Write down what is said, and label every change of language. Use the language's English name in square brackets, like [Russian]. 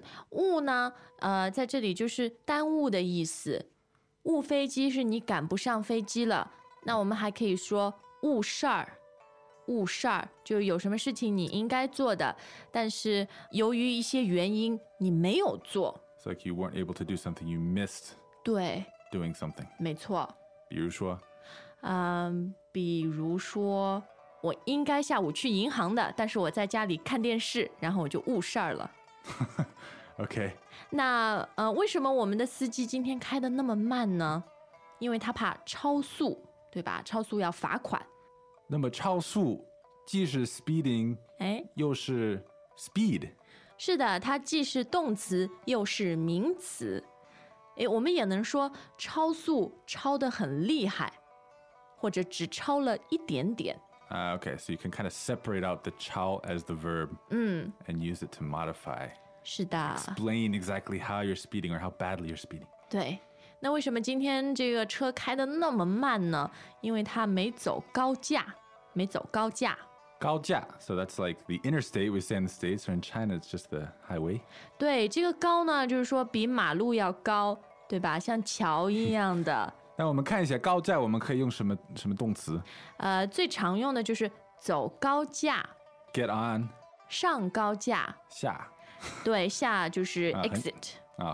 [Chinese] 误呢，在这里就是耽误的意思。误飞机是你赶不上飞机了。那我们还可以说误事儿。误事儿就有什么事情你应该做的，但是由于一些原因你没有做。 [English] It's like you weren't able to do something, you missed [Chinese] 对 [English] doing something. [Chinese] 没错。比如说？比如说，我应该下午去银行的，但是我在家里看电视，然后我就误事儿了。 [English] OK. [Chinese] 那，为什么我们的司机今天开得那么慢呢？因为他怕超速，对吧？超速要罚款。那么超速，既是 speeding, 又是 speed。是的，它既是动词又是名词。我们也能说超速超得很厉害，或者只超了一点点。 [English] Okay, so you can kind of separate out the 超 as the verb and use it to modify. [Chinese] 是的。 [English] Explain exactly how you're speeding or how badly you're speeding. [Chinese] 对，那为什么今天这个车开得那么慢呢？因为它没走高架，没走高架。 [English] 高架 So that's like the interstate we say in the States or in China it's just the highway [Chinese] 对这个高呢就是说比马路要高对吧像桥一样的那我们看一下高架我们可以用什么什么动词最常用的就是走高架 [English] Get on [Chinese] 上高架下对下就是 exit